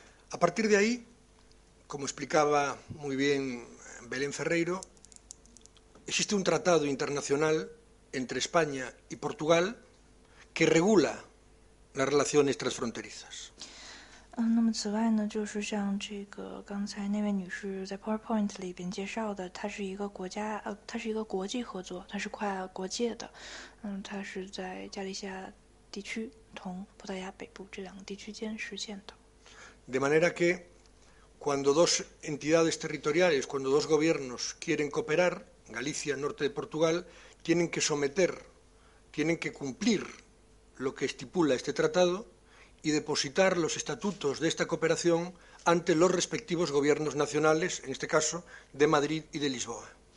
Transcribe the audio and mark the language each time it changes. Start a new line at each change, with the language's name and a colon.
Spanish: A partir de ahí, como explicaba muy bien Belén Ferreiro, existe un tratado internacional entre España y Portugal que regula las relaciones transfronterizas.
Chinese: 那么此外呢，就是像这个刚才那位女士在 PowerPoint 里边介绍的，它是一个国际合作，它是跨国界的。它是在加利西亚地区同葡萄牙北部这两个地区间实现的。
Spanish: De manera que cuando dos entidades territoriales, cuando dos gobiernos quieren cooperar, Galicia, norte de Portugal, tienen que cumplir lo que estipula este tratado y depositar los estatutos de esta cooperación ante los respectivos gobiernos nacionales, en este caso, de Madrid y de Lisboa.